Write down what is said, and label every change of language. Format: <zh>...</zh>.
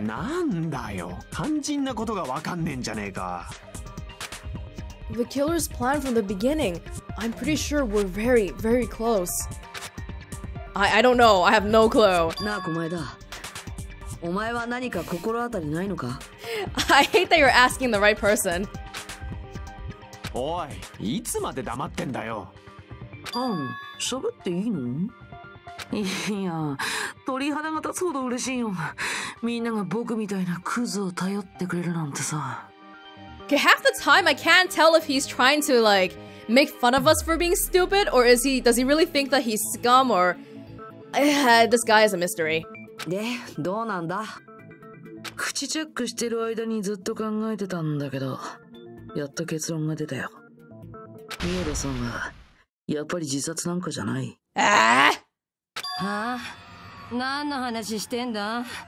<ja>なんだよ、肝心なことがわかんねえんじゃねえか。</ja> <en>The killer's plan from the beginning. I'm pretty sure we're very, very close. I don't know. I have no clue.</en> <ja>なあ、お前だ。お前は何か心当たりないのか？</ja> <en>I hate that you're asking the right person.</en> <ja>おい、いつまで黙ってんだよ。うん、しゃべっていいの？いや、鳥肌が立つほど嬉しいよ。みんなが僕みたいなクズを頼ってくれるなんてさ。</ja> <en>Okay, half the time I can't tell if he's trying to like make fun of us for being stupid or is he does he really think that he's scum or this guy is a mystery.</en> <ja>で、どうなんだ？口チェックしてる間にずっと考えてたんだけど、やっと結論が出たよ。ミオダさんは。やっぱり自殺なんかじゃない。ええー、はあ、何の話してんだ。</ja>